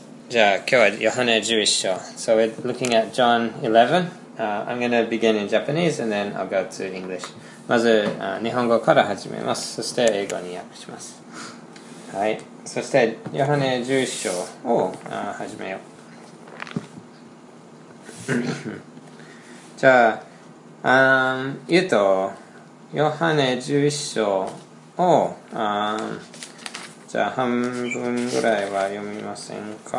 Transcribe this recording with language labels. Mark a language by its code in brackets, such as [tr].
[ja] じゃあ今日はヨハネ11章。 [en] So we're looking at John 11.、I'm going to begin in Japanese and then I'll go to English. [ja] まず、日本語から始めます。そして英語に訳します。はい。そしてヨハネ11章を、始めよう。じゃあ、言うと、ヨハネ11章を、じゃあ半分ぐらいは読みませんか。